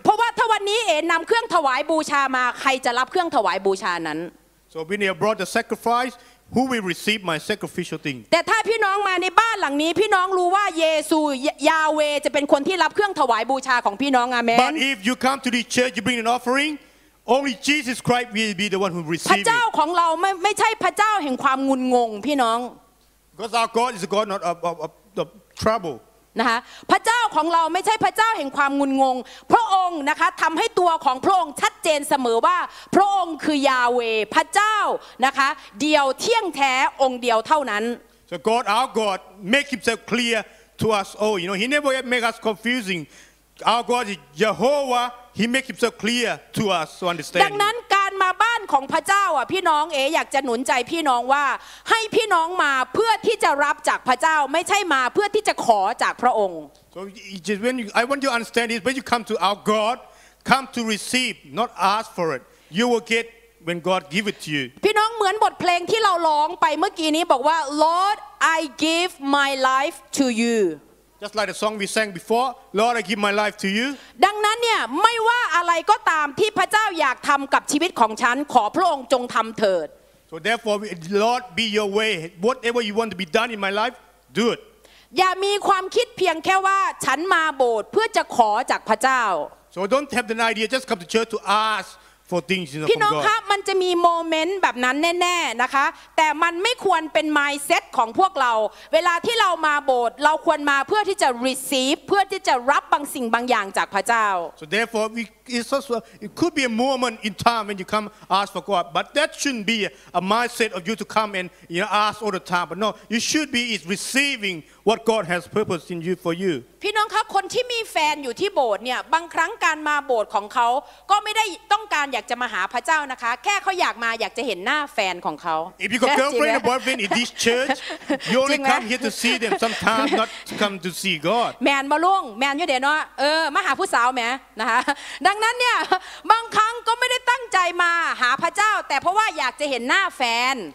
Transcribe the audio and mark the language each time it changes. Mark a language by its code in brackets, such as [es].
[th] เพราะว่าถ้าวันนี้เอนําเครื่องถวายบูชามาใครจะรับเครื่องถวายบูชานั้น [en] So when you brought the sacrifice who will receive my sacrificial thing [th] แต่ถ้าพี่น้องมาในบ้านหลังนี้พี่น้องรู้ว่าเยซูยาเวจะเป็นคนที่รับเครื่องถวายบูชาของพี่น้องอาเมน [en] But if you come to the church you bring an offering only Jesus Christ will be the one who receive [th] พระเจ้าของเราไม่ใช่พระเจ้าแห่งความงุนงงพี่น้อง [en] Because our God is a God not of the trouble [th] นะคะพระเจ้าของเราไม่ใช่พระเจ้าแห่งความงุนงงพระองค์นะคะทำให้ตัวของพระองค์ชัดเจนเสมอว่าพระองค์คือยาเวพระเจ้านะคะเดียวเที่ยงแท้องค์เดียวเท่านั้น [en] So God our God make himself clear to us all you know he never make us confusing our God is Jehovah he make himself clear to us to understand [th] ดังนั้นการมาบ้านของพระเจ้าอ่ะพี่น้องเออยากจะหนุนใจพี่น้องว่าให้พี่น้องมาเพื่อที่จะรับจากพระเจ้าไม่ใช่มาเพื่อที่จะขอจากพระองค์ [en] So just when you, I want you to understand this when you come to our God come to receive not ask for it you will get when God give it to you [th] พี่น้องเหมือนบทเพลงที่เราร้องไปเมื่อกี้นี้บอกว่า [en] Lord I give my life to you Just like the song we sang before, Lord, I give my life to you. [th] ดังนั้นเนี่ยไม่ว่าอะไรก็ตามที่พระเจ้าอยากทำกับชีวิตของฉันขอพระองค์จงทำเถิด [en] So therefore, Lord, be your way. Whatever you want to be done in my life, do it. [th] อย่ามีความคิดเพียงแค่ว่าฉันมาโบสถ์เพื่อจะขอจากพระเจ้า [en] So don't have the idea just come to church to ask. [th] พี่น้องคะมันจะมีโมเมนต์แบบนั้นแน่ๆนะคะแต่มันไม่ควรเป็นมายเซตของพวกเราเวลาที่เรามาโบสถ์เราควรมาเพื่อที่จะ receive เพื่อที่จะรับบางสิ่งบางอย่างจากพระเจ้า [en] So therefore it could be a moment in time when you come ask for God but that shouldn't be a mindset of you to come and you know, ask all the time but no you should be is receiving what God has purposed in you for you [th] พี่น้องคะคนที่มีแฟนอยู่ที่โบสถ์เนี่ยบางครั้งการมาโบสถ์ของเขาก็ไม่ได้ต้องการอยากจะมาหาพระเจ้านะคะแค่เขาอยากมาอยากจะเห็นหน้าแฟนของเขา [en] If you got girlfriend or boyfriend in this church you only come here to see them sometimes not come to see God [th] แมนบ่ลุงแมนอยู่เดี๋ยวเนาะเออมาหาผู้สาวแหมนะคะดังนั้นเนี่ยบางครั้งก็ไม่ได้ตั้งใจมาหาพระเจ้าแต่เพราะว่าอยากจะเห็นหน้าแฟน